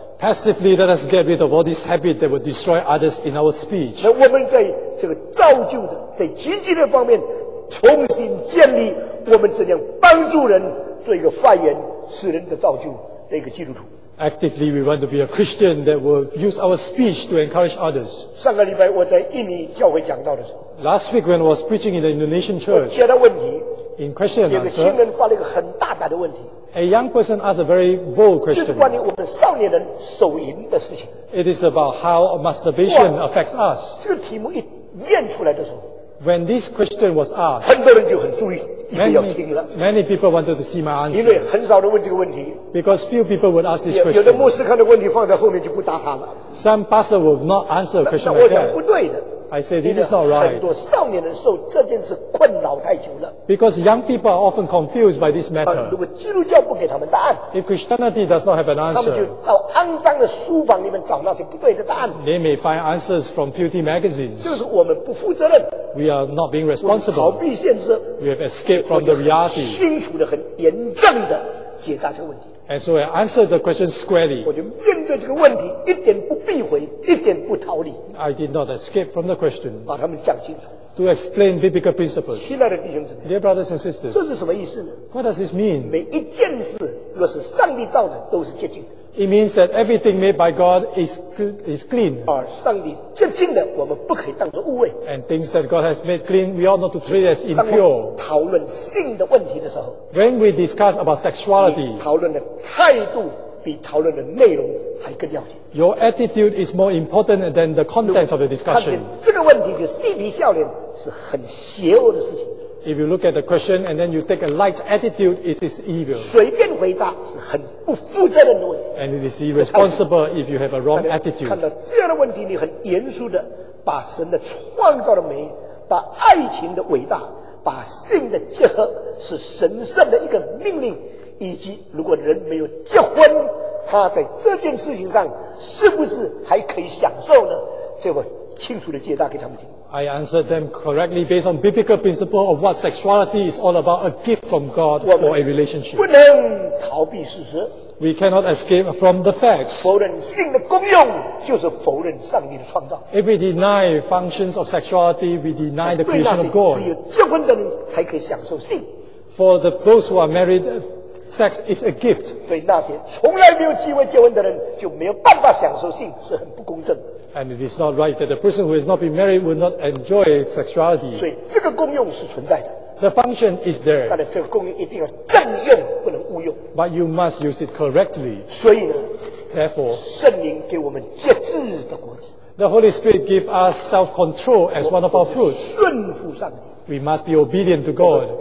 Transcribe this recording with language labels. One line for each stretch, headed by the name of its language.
English: Passively, let us get rid of all these habits that will destroy others in our speech.
Chinese: 那我们在这个造就的，在积极的方面，重新建立我们怎样帮助人做一个发言使人的造就的一个基督徒。
English: Actively, we want to be a Christian that will use our speech to encourage others.
Chinese: 上个礼拜我在印尼教会讲道的时候
English: ，Last week when I was preaching in the Indonesian church,
Chinese: 我接到问题
English: ，In question and answer,
Chinese: 有个新人发了一个很大胆的问题。
English: A young person asked a very bold question.
Chinese: 就是关于我们少年人手淫的事情。
English: It is about how masturbation affects us.
Chinese: 这个题目一念出来的时候
English: ，When this question was asked,
Chinese: 很多人就很注意。
English: Many people wanted to see my answer.
Chinese: 因为很少人问这个问题。
English: Because few people would ask this question.
Chinese: 有的牧师看到问题放在后面就不答他了。
English: Some pastor will not answer a question like that.
Chinese: 那我想不对的。
English: I say this is not right.
Chinese: 很多少年人受这件事困扰太久了。
English: Because young people are often confused by this matter.
Chinese: 如果基督教不给他们答案
English: ，If Christianity does not have an answer,
Chinese: 他们就到肮脏的书房里面找那些不对的答案。
English: They may find answers from filthy magazines.
Chinese: 就是我们不负责任。
English: We are not being responsible.
Chinese: 逃避现实。
English: We have escaped from the reality.
Chinese: 清楚的、很严正的解答这个问题。
English: And so I answered the question squarely.
Chinese: 我就面对这个问题，一点不避讳，一点不逃离。
English: I did not escape from the question.
Chinese: 把他们讲清楚。
English: To explain biblical principles.
Chinese: 亲爱的弟兄姊妹
English: ，Dear brothers and sisters,
Chinese: 这是什么意思呢
English: ？What does this mean?
Chinese: 每一件事若是上帝造的，都是洁净的。
English: It means that everything made by God is clean.
Chinese: 而上帝洁净的，我们不可以当作污秽。
English: And things that God has made clean, we ought not to treat as impure.
Chinese: 当我们讨论性的问题的时候
English: ，When we discuss about sexuality,
Chinese: 你讨论的态度比讨论的内容还更要紧。
English: Your attitude is more important than the content of the discussion.
Chinese: 这个问题就嬉皮笑脸是很邪恶的事情。
English: If you look at the question and then you take a light attitude, it is evil.
Chinese: 随便回答是很不负责任的问题。
English: And it is irresponsible if you have a wrong attitude.
Chinese: 看到这样的问题，你很严肃的把神的创造的美，把爱情的伟大，把性的结合是神圣的一个命令，以及如果人没有结婚，他在这件事情上是不是还可以享受呢？这我清楚的解答给他们听。
English: I answered them correctly based on biblical principle of what sexuality is all about, a gift from God for a relationship.
Chinese: 不能逃避事实。
English: We cannot escape from the facts.
Chinese: 否认性的功用就是否认上帝的创造。
English: If we deny functions of sexuality, we deny the creation of God.
Chinese: 只有结婚的人才可以享受性。
English: For those who are married, sex is a gift.
Chinese: 对那些从来没有机会结婚的人就没有办法享受性，是很不公正的。
English: And it is not right that the person who has not been married will not enjoy sexuality.
Chinese: 所以这个功用是存在的。
English: The function is there.
Chinese: 但是这个功用一定要正用，不能误用。
English: But you must use it correctly.
Chinese: 所以呢
English: ，Therefore,
Chinese: 圣灵给我们节制的果子。
English: The Holy Spirit gives us self-control as one of our fruits.
Chinese: 顺服上帝。
English: We must be obedient to God.